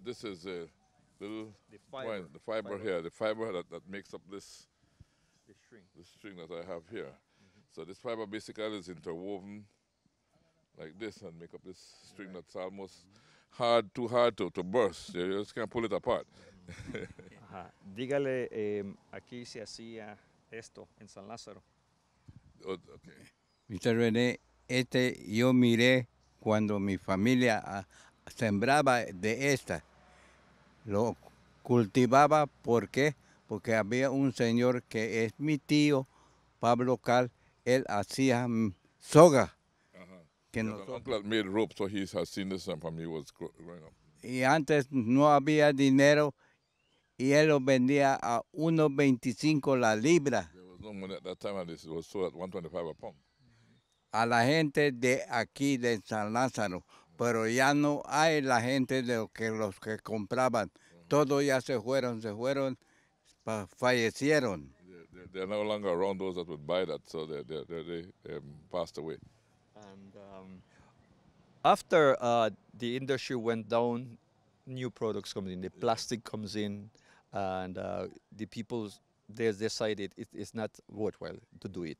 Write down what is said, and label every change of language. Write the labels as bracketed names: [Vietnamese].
[English] This is a little the fiber here, the fiber that makes up this the string that I have here. Mm-hmm. So this fiber basically is interwoven like this and make up this string that's almost hard, too hard to burst. You just can't pull it apart. [Spanish] Dígale, aquí se hacía esto en San Lázaro. Mr. René, este yo miré cuando mi familia sembraba de esta. Lo cultivaba, ¿por qué? Porque había un señor que es mi tío, Pablo Cal, él hacía soga. Que nosotros, [English] an uncle had made rope, so he has seen this from he was growing up. [Spanish] Y antes no había dinero, y él lo vendía a 1.25 la libra. [English] There was no money at that time, and it was sold at 1.25 a pound. [Spanish] A la gente de aquí, de San Lázaro. Pero ya no hay la gente de los que compraban. Todos ya se fueron, fallecieron. [English] They're no longer around those that would buy that, so they passed away. And after the industry went down, new products comes in, the plastic comes in, and the people, they decided it's not worthwhile to do it.